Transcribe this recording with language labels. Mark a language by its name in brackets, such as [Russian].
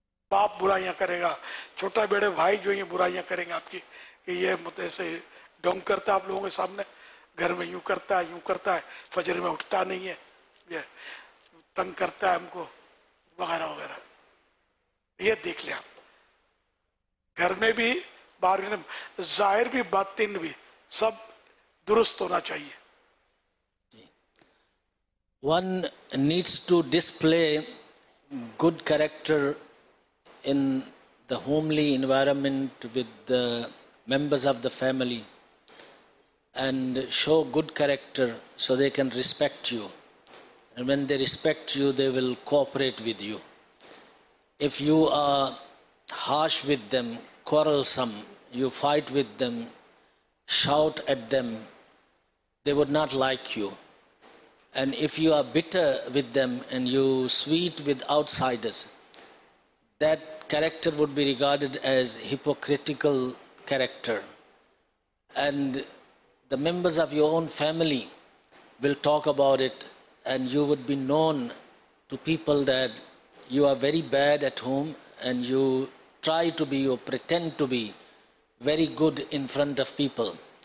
[Urdu] باپ برائیاں کرے گا، چھوٹا بیڑے بھائی جو یہ برائیاں کریں گے آپ کی، کہ یہ مت ایسے ڈونگ کرتا ہے آپ لوگوں کے سامنے، گھر میں یوں کرتا ہے، یوں کرتا ہے، فجر میں اٹھتا نہیں ہے، یہ تنگ کرتا ہے ہم کو، وغیرہ وغیرہ۔ یہ دیکھ لیں آپ، گھر میں بھی باہر بھی، ظاہر بھی باطن بھی، سب درست ہونا چاہیے۔ [English] One needs to display good character in the homely environment with the members of the family and show good character so they can respect you, and when they respect you they will cooperate with you. If you are harsh with them, quarrelsome, you fight with them, shout at them, they would not like you. And if you are bitter with them and you sweet with outsiders, that character would be regarded as hypocritical character. And the members of your own family will talk about it, and you would be known to people that you are very bad at home and you try to be or pretend to be very good in front of people.